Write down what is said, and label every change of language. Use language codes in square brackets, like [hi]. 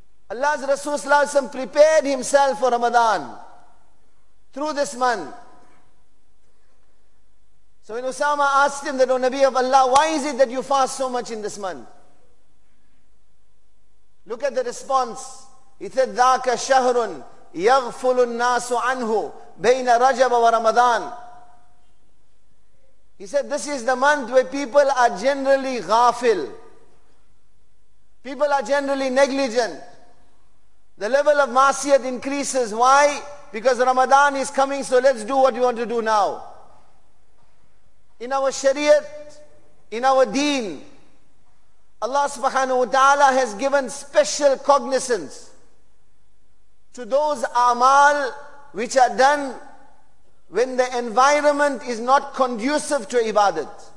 [en] Allah's Rasul sallallahu alayhi wa sallam prepared himself for Ramadan through this month. So when Usama asked him that, O Nabi of Allah, why is it that you fast so much in this month? Look at the response. He said, [ar] ذَاكَ شَهْرٌ يَغْفُلُ النَّاسُ عَنْهُ بَيْنَ رَجَبَ وَرَمَضَانَ. [en] He said, this is the month where people are generally ghafil. People are generally negligent. The level of masiyat increases. Why? Because Ramadan is coming, so let's do what you want to do now. In our shariat, in our deen, Allah subhanahu wa ta'ala has given special cognizance to those amal which are done when the environment is not conducive to ibadat.